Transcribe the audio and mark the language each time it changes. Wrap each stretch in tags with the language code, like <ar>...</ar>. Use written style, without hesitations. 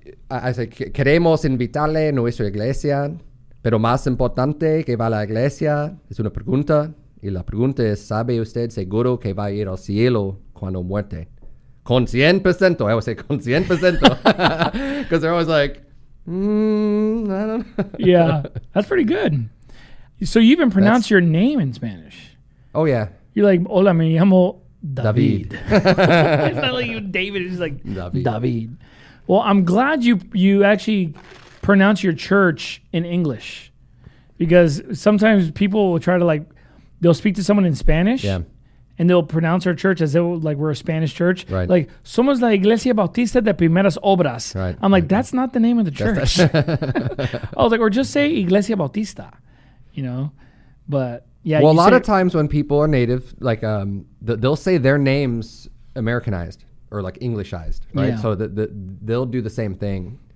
<en>I say,</en> <es>queremos invitarle a nuestra iglesia, pero más importante que va a la iglesia es una pregunta. Y la pregunta es, ¿sabe usted seguro que va a ir al cielo cuando muerte? Con 100%.</es> <en>I would say</en> <es>con 100%.</es> <en>Because they're always like, I don't know. Yeah, that's pretty good. So you even pronounce your name in Spanish. Oh, yeah. You're like,</en> <es>hola, me llamo David.</es> <en>It's not like you, David. It's just like David. Well, I'm glad you actually pronounce your church in English, because sometimes people will try to, like, they'll speak to someone in Spanish. Yeah. And they'll pronounce our church as though, like, we're a Spanish church. Right. Like,</en> <es>somos la Iglesia Bautista de Primeras Obras.</es> <en>Right. I'm like, that's not the name of the church. I was like, or just say Iglesia Bautista, you know? But, yeah. Well, a lot of times when people are native, like, they'll say their names Americanized or, like, Englishized, right? Yeah. So they'll do the same thing.</en>